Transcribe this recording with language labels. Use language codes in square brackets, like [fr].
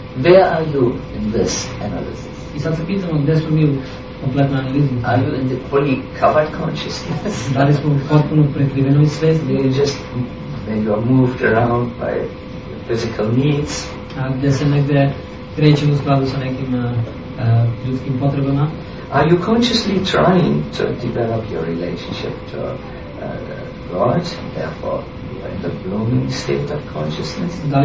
[en] Where are you in this analysis? [sr] I sad se pitamo gdje smo mi u kompletnoj analizi. [en] Are you in the fully covered consciousness? [sr] Da li smo u potpuno prekrivenoj svjesnosti? [en] You just maybe moved around by physical needs. [sr] A gdje se negdje krećemo u skladu sa nekim ljudskim potrebama? [en] Are you consciously trying to develop your relationship to God, therefore in the blooming state of consciousness?